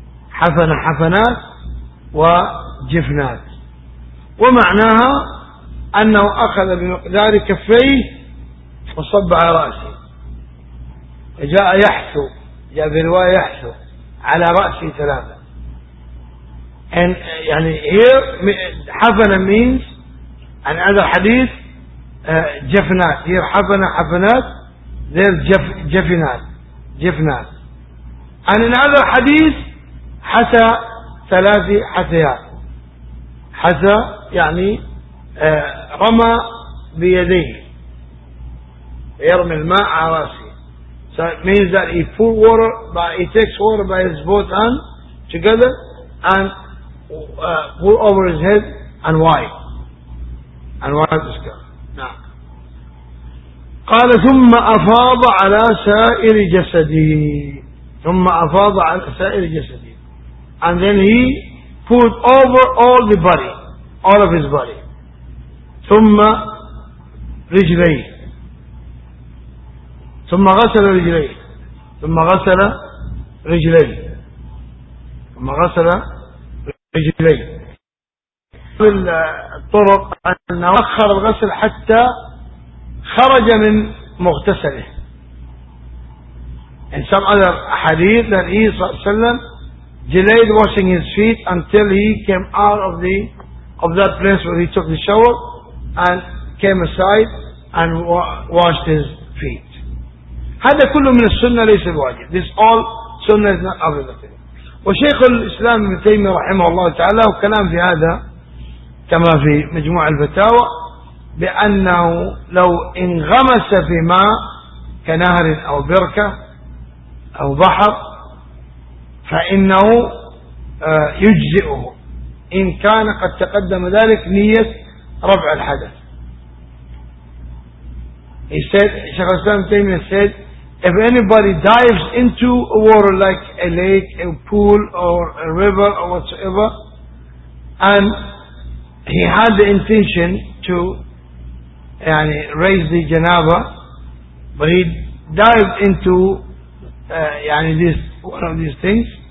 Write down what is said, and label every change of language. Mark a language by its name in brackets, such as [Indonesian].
[Arabic] حفنا حفنات وجفنات، ومعناها أنه أخذ بمقدار كفيه وصب على رأسه. جاء يحثو، جاء برواية يحثو على رأسه ثلاثة. [English] And يعني here حفنا means and other حديث جفنات. [Arabic] here حفنا حفنات، there جفنات جفنات. [English] and in other [Arabic] حديث حث ثلاث حثيات. حث يعني رمى بيديه، يرمي الماء على رأسه. [English] So it means that he pour water by, he takes water by his both hands together and pour over his head and wipe. And wipe his scalp. نعم. [Arabic] قال ثم أفاض على سائر جسده. ثم أفاض على سائر جسده. [English] And then he poured over all the body, all of his body. [Arabic] ثم رجليه. ثم غسل رجليه. ثم غسل رجليه. ثم غسل رجليه. الطرق أنه أخر الغسل حتى خرج من مغتسله. [English] In some other hadith that he صلى الله عليه وسلم delayed washing his feet until he came out of the of that place where he took the shower and came aside and washed his feet. [Arabic] هذا كله من السنة ليس الواجب. [English] This all سنة is not obligatory. [Arabic] وشيخ الإسلام ابن تيمية رحمه الله تعالى وكلام في هذا كما في مجموع الفتاوى بأنه لو انغمس في ماء كنهر أو بركة أو بحر فإنه يجزئه إن كان قد تقدم ذلك نية رفع الحدث. [English] شيخ الإسلام ابن تيمية said if anybody dives into a water like a lake, a pool, or a river, or whatsoever, and he had the intention to يعني, raise the janaba, but he dived into يعني, this, one of these things,